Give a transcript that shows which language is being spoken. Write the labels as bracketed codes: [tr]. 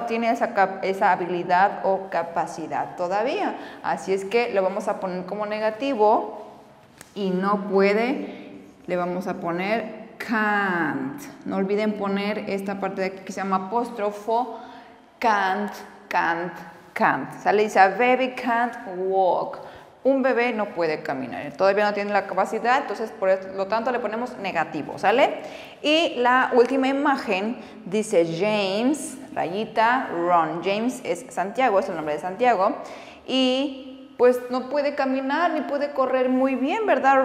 [es] No tiene esa habilidad o capacidad todavía. Así es que lo vamos a poner como negativo. Y no puede, le vamos a poner can't. No olviden poner esta parte de aquí que se llama apóstrofo. [en] Can't, can't, can't. [es] Sale y dice, [en] a baby can't walk. [es] Un bebé no puede caminar, todavía no tiene la capacidad, entonces por lo tanto le ponemos negativo, ¿sale? Y la última imagen dice James, rayita, run. James es Santiago, es el nombre de Santiago. Y pues no puede caminar ni puede correr muy bien, ¿verdad?